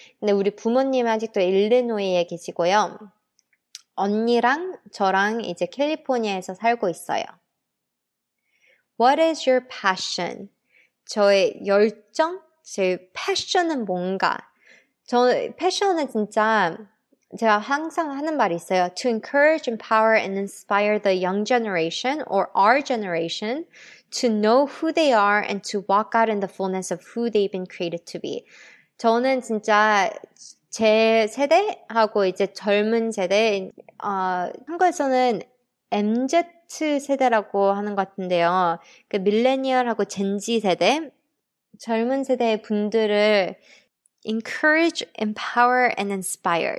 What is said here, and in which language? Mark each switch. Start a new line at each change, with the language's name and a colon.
Korean: 근데 우리 부모님 아직도 일리노이에 계시고요. 언니랑 저랑 이제 캘리포니아에서 살고 있어요.
English: What is your passion?
Korean: 저의 열정? 제 패션은 뭔가? 저 패션은 진짜 제가 항상 하는 말이 있어요.
English: To encourage, empower, and inspire the young generation or our generation to know who they are and to walk out in the fullness of who they've been created to be.
Korean: 저는 진짜 제 세대하고 이제 젊은 세대, 한국에서는 MZ 세대라고 하는 것 같은데요. 그 밀레니얼하고 젠지 세대. 젊은 세대의 분들을
English: encourage, empower, and inspire.